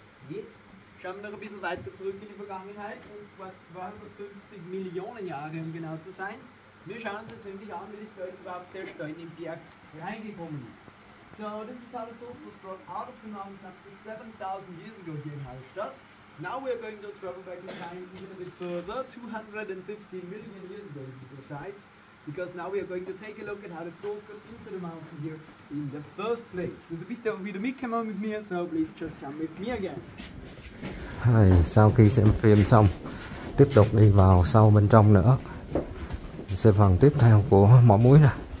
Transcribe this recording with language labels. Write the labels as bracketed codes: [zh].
[de] Jetzt schauen wir noch ein bisschen weiter zurück in die Vergangenheit, und zwar 250 Millionen Jahre, um genau zu sein. Wir schauen uns jetzt endlich an, wie das Salz überhaupt der Stein im Berg reingekommen ist. [en] So, this is how the salt was brought out of the mountains up to 7000 years ago here in Hallstatt. Now we are going to travel back in time even a bit further, 250 million years ago to be precise, because now we are going to take a look at how the salt got into the mountain here in the first place. So, [de] bitte wieder mitkommen mit mir, [en] so please just come with me again. [vi] Hi, sau khi xem phim xong, tiếp tục đi vào sâu bên trong nữa. Xem phần tiếp theo của mỏ muối nè.